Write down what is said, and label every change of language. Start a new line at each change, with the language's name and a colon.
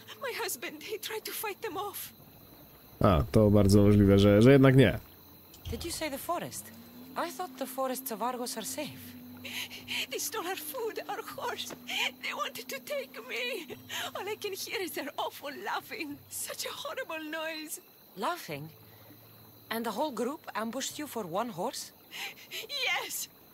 English: My husband, he tried to fight them off.
Polish: A, to bardzo możliwe, że jednak nie.
English: Did you say the forest? I thought the forests of Argos are safe. They stole our food, our horse. They wanted to take me. All I can hear is their awful laughing. Such a horrible noise. Laughing? And the whole group ambushed you for one horse? Yes.